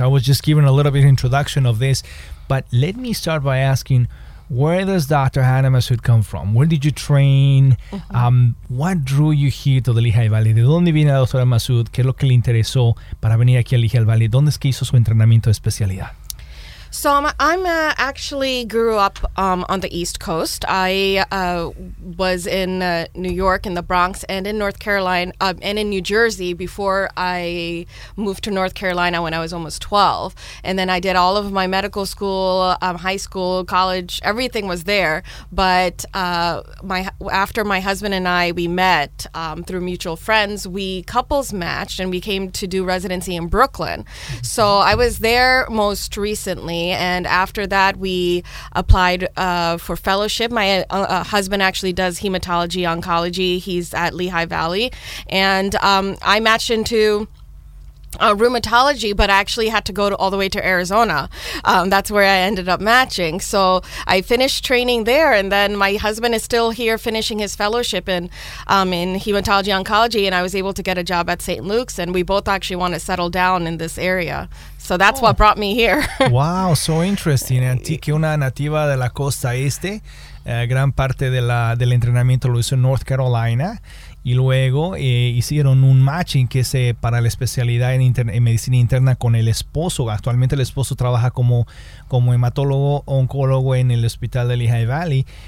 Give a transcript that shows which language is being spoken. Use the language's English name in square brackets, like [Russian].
[English] I was just giving a little bit of introduction of this, but let me start by asking, where does Dr. Hannah Massoud come from? Where did you train? What drew you here to the Lehigh Valley? [Spanish] ¿De dónde viene la doctora Massoud? ¿Qué es lo que le interesó para venir aquí al Lehigh Valley? ¿Dónde es que hizo su entrenamiento de especialidad? [English] So I'm actually grew up on the East Coast. I was in New York, in the Bronx, and in North Carolina, and in New Jersey before I moved to North Carolina when I was almost 12. And then I did all of my medical school, high school, college, everything was there. But after my husband and I, we met through mutual friends, we couples matched and we came to do residency in Brooklyn. So I was there most recently. And after that, we applied for fellowship. My husband actually does hematology oncology. He's at Lehigh Valley. And I matched into rheumatology, but I actually had to go all the way to Arizona. That's where I ended up matching. So I finished training there. And then my husband is still here finishing his fellowship in hematology oncology. And I was able to get a job at St. Luke's. And we both actually want to settle down in this area. So that's what brought me here. Wow, so interesting. [Spanish] Antí que una nativa de la costa este, gran parte de la del entrenamiento lo hizo en North Carolina, y luego hicieron un matching que se para la especialidad en medicina interna con el esposo. Actualmente el esposo trabaja como hematólogo oncólogo en el Hospital de Lehigh Valley.